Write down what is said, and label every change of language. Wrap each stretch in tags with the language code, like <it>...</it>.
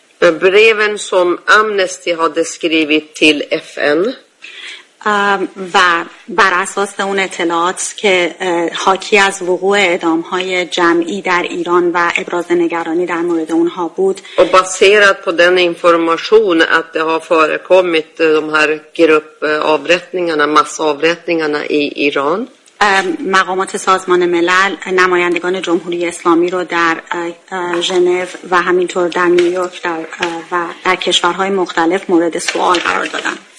<sv>breven som Amnesty hade skrivit till FN.</sv> <fa>و بر اساس اون اطلاعات که حاکی از وقوع اعدام‌های جمعی در ایران و ابراز نگرانی در مورد اونها بود</fa> <sv>و baserat på den information att det har förekommit de här gruppavrättningarna massavrättningarna i Iran</sv> <fa>مقامات سازمان ملل نمایندگان جمهوری اسلامی رو در ژنو و همینطور در نیویورک در و در کشورهای مختلف مورد سوال قرار دادن</fa>